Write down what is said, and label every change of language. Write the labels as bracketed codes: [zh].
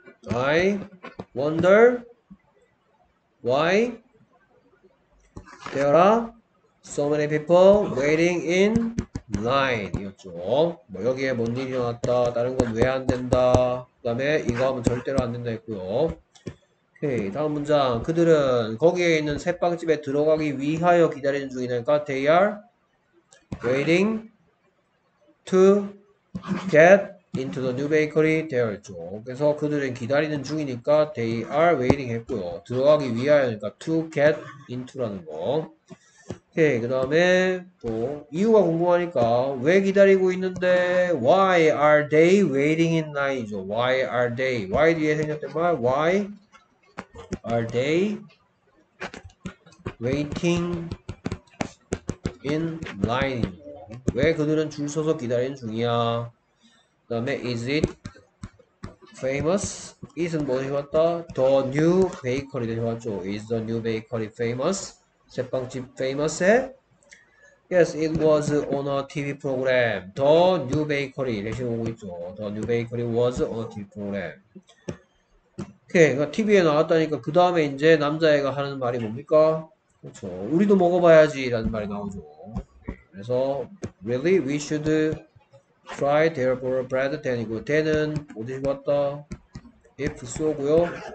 [en] I wonder why there are so many people waiting in line. [ko] 이었죠. 뭐 여기에 뭔 일이 일어났다. 다른 건왜안 된다. 그다음에 이거 하면 절대로 안 된다 했고요. 오케이, 다음 문장. 그들은 거기에 있는 새 빵집에 들어가기 위하여 기다리는 중이니까 they are waiting to [en] get into the new bakery their job. [ko] 그래서 그들은 기다리는 중이니까 [en] they are waiting 했고요. [ko] 들어가기 위하여니까 to get into라는 거. 오케이, 그 다음에 또 이유가 궁금하니까 왜 기다리고 있는데 [en] why are they waiting in line이죠. Why are they? Why 뒤에 생략된 말 why are they waiting in line? [ko] 왜 그들은 줄 서서 기다리는 중이야? 그 다음에 is it famous? is은 뭐 해봤다? [en] The new bakery 해봤죠. Is the new bakery famous? [ko] 제빵집 famous해? [en] Yes, it was on a TV program. The New Bakery. 이렇게 오고 있죠. The New Bakery was on a TV program. [ko] 오케이. TV에 나왔다니까. 그 다음에 이제 남자애가 하는 말이 뭡니까? 그렇죠. 우리도 먹어봐야지. 라는 말이 나오죠. 그래서, [en] really, we should try their bread. [ko] then 이거, then은 어디서 봤다? if so고요.